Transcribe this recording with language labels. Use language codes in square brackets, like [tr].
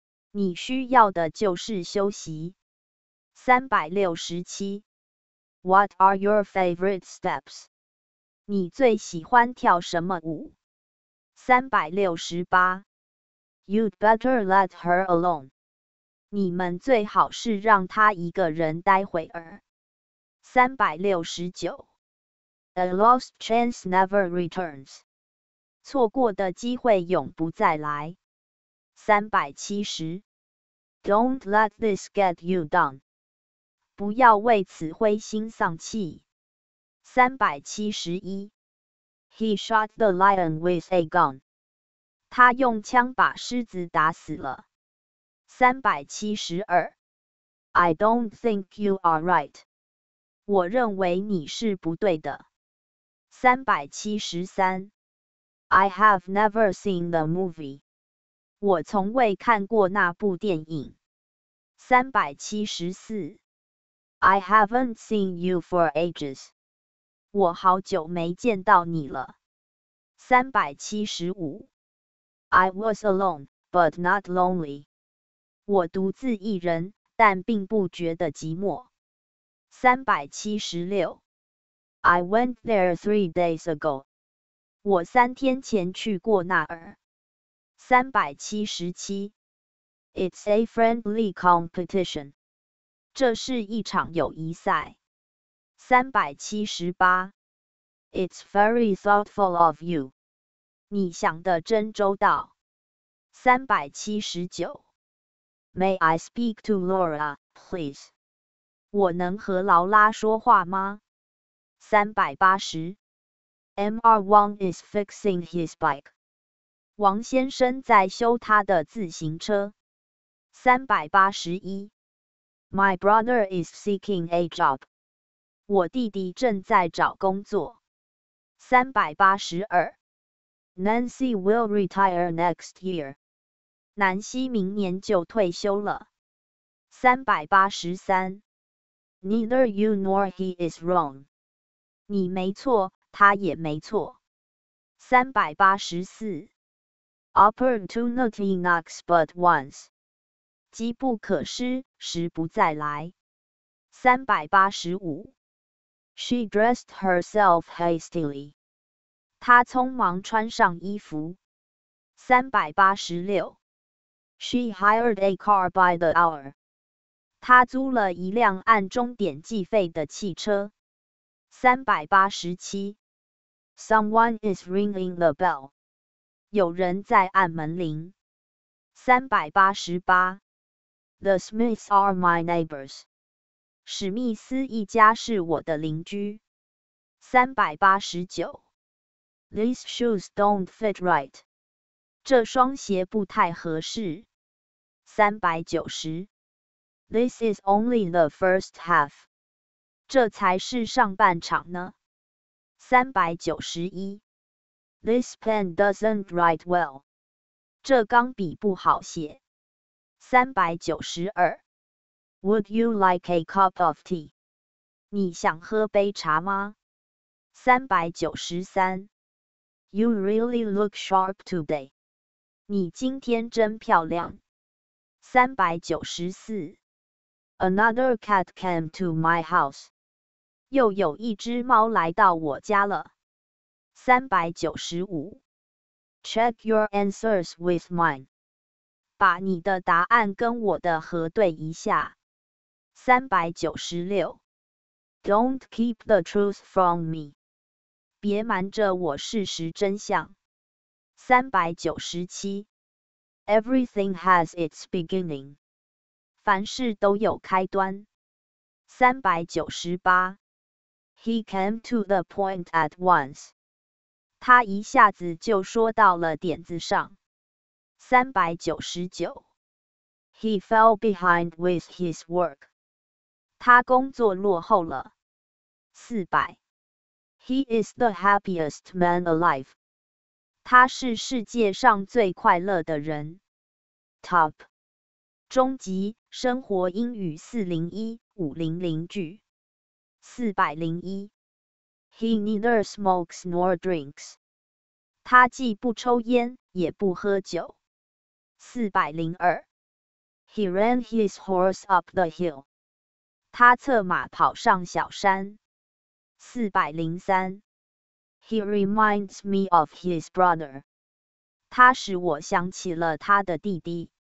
[zh] 你需要的就是休息。367. [en] What are your favorite steps? [zh] 你最喜欢跳什么舞？368. [en] You'd better let her alone. [zh] 你们最好是让她一个人待会儿。 369. [en] A lost chance never returns. [zh] 错过的机会永不再来。370. [en] Don't let this get you down. [zh] 不要为此灰心丧气。371. [en] He shot the lion with a gun. [zh] 他用枪把狮子打死了。372. [en] I don't think you are right. [zh] 我认为你是不对的。373. [en] I have never seen the movie. [zh] 我从未看过那部电影。374. [en] I haven't seen you for ages. [zh] 我好久没见到你了。375. [en] I was alone, but not lonely. [zh] 我独自一人，但并不觉得寂寞。 376. [en] I went there 3 days ago. [zh] 我三天前去过那儿。377. [en] It's a friendly competition. [zh] 这是一场友谊赛。378. [en] It's very thoughtful of you. [zh] 你想得真周到。379. [en] May I speak to Laura, please? [zh] 我能和劳拉说话吗？380. [en] Mr. Wang is fixing his bike. [zh] 王先生在修他的自行车。 381. [en] My brother is seeking a job. [zh] 我弟弟正在找工作。382. [en] Nancy will retire next year. [zh] 南希明年就退休了。383. [en] Neither you nor he is wrong. [zh] 你没错，他也没错。384. [en] Opportunity knocks but once. [zh] 机不可失，时不再来。385. [en] She dressed herself hastily. [zh] 她匆忙穿上衣服。386. [en] She hired a car by the hour. [zh] 他租了一辆按终点计费的汽车。 387 [en] Someone is ringing the bell. [zh] 有人在按门铃。388 [en] The Smiths are my neighbors. [zh] 史密斯一家是我的邻居。 389 [en] These shoes don't fit right. [zh] 这双鞋不太合适。390 [en] This is only the first half. [zh] 这才是上半场呢。391 [en] This pen doesn't write well. [zh] 这钢笔不好写。392 [en] Would you like a cup of tea? [zh] 你想喝杯茶吗？393 [en] You really look sharp today. [zh] 你今天真漂亮。394 [en] Another cat came to my house. [zh] 又有一只猫来到我家了。 395 [en] Check your answers with mine. [zh] 把你的答案跟我的核对一下。 396 [en] Don't keep the truth from me. [zh] 别瞒着我事实真相。397 [en] Everything has its beginning. [zh] 凡事都有开端。398 [en] He came to the point at once. [zh] 他一下子就说到了点子上。 399 [en] He fell behind with his work. [zh] 他工作落后了。400 [en] He is the happiest man alive. [zh] 他是世界上最快乐的人。 [en] Top [zh] 终极生活英语401-500句。 401 [en] He neither smokes nor drinks. [zh] 他既不抽烟也不喝酒。402 [en] He ran his horse up the hill. [zh] 他策马跑上小山。403 [en] He reminds me of his brother. [zh] 他使我想起了他的弟弟。